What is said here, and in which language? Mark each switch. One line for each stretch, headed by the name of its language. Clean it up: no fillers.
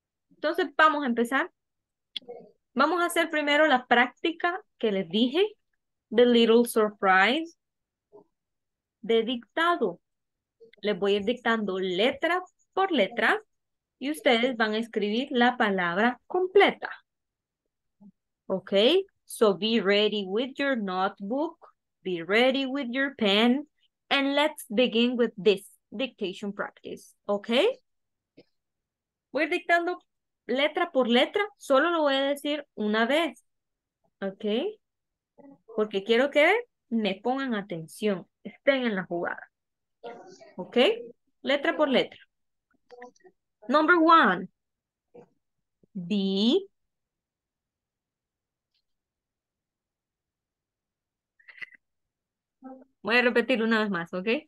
Spanish: Entonces, vamos a empezar. Vamos a hacer primero la práctica que les dije, The Little Surprise, de dictado. Les voy a ir dictando letra por letra y ustedes van a escribir la palabra completa. ¿Ok?
English: So be ready with your notebook, be ready with your pen, and let's begin with this dictation practice, okay?
Spanish: Voy dictando letra por letra, solo lo voy a decir una vez, okay? Porque quiero que me pongan atención, estén en la jugada, okay? Letra por letra.
English: Number one,
Spanish: be voy a repetir una vez más, ¿ok?